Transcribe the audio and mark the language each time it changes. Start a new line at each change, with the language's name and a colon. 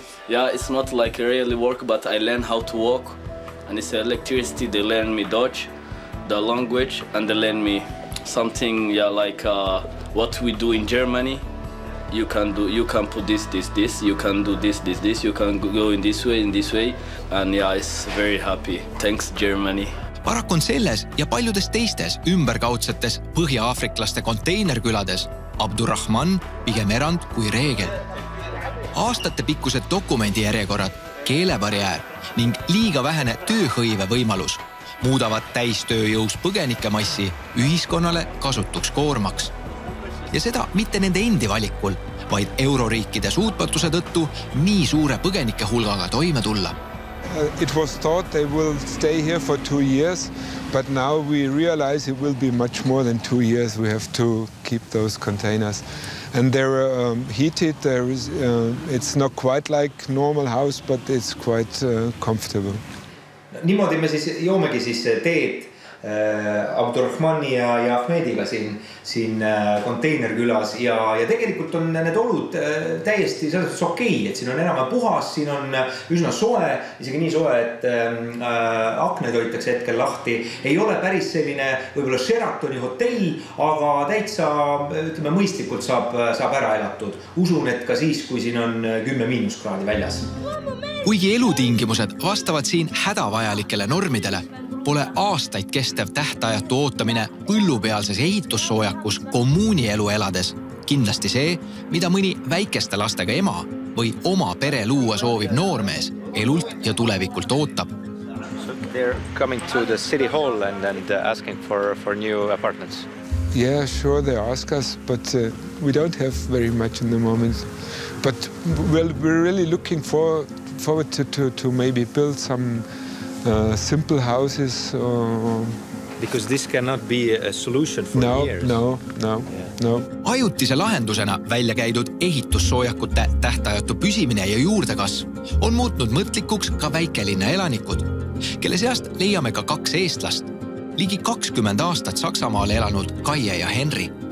English: Yeah, it's not like really work, but I learn how to walk, and it's electricity. They learn me Dutch, the language, and they learn me something. Yeah, like what we do in Germany. You can do, you can put this, you can do this, you can go in this way, and yeah, it's very happy. Thanks, Germany.
Estonian: Paraku on selles ja paljudes teistes ümberkaudsetes põhja-aafriklaste konteinerkülades Abdurrahman pigem erand kui reegel. Aastate pikkused dokumendi järjekorrad, keelebarjäär ning liiga vähene tööhõive võimalus muudavad täistööjõus põgenike massi ühiskonnale kasutuks koormaks. Ja seda mitte nende endi valikul, vaid euroriikide suutmatuse tõttu nii suure põgenike hulgaga toime tulla.
English: It was thought they will stay here for 2 years, but now we realize it will be much more than 2 years. We have to keep those containers. And they're heated, it's not quite like normal house, but it's quite comfortable.
Estonian: Niimoodi me siis joomegi siis teed. Abdurrahmani ja Ahmediga siin konteinerkülas ja tegelikult on need olud täiesti selles okei, et siin on enam puhas, siin on üsna soe, isegi nii soe, et akne toitakse hetkel lahti. Ei ole päris selline võibolla Sheratoni hotell, aga täitsa ütleme mõistlikult saab ära elatud. Usun, et ka siis, kui siin on 10 miinuskraadi väljas. Kuigi elutingimused vastavad siin hädavajalikele normidele, pole aastaid kestev tähtajatu ootamine põllupealses ehitussoojakus kommuuni elu elades kindlasti see, mida mõni väikeste lastega ema või oma pere luua soovib noormees elult ja tulevikult ootab.
English: So they're coming to the city hall and asking for new apartments. Yeah, sure, they ask us, but we don't have very much in the moment. But we're really looking forward to maybe build some simple houses. Because this cannot be a solution for years. No.
Estonian: Ajutise lahendusena välja käidud ehitussoojakute tähtajatu püsimine ja juurdekasv on muutnud mõtlikuks ka väikelinna elanikud, kelle seast leiame ka kaks eestlast. Ligi 20 aastat Saksamaal elanud Kaie ja Henri.